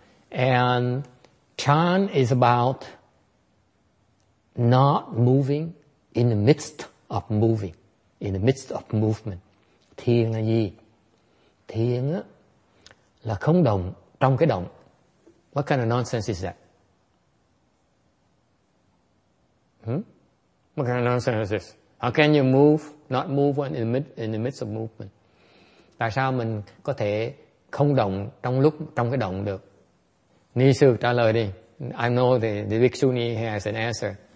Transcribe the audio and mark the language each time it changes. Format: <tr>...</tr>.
<en>And Chan is about not moving in the midst of moving, in the midst of movement.</en> <vi>Thiền là gì? Thiền á là không động trong cái động.</vi> <en>What kind of nonsense is that? What kind of nonsense is this? How can you move, not move when in the midst of movement?</en> <vi>Tại sao mình có thể không động trong lúc trong cái động được? Ni sư trả lời đi.</vi> <en>I know the bhikshu ni has an answer.</en>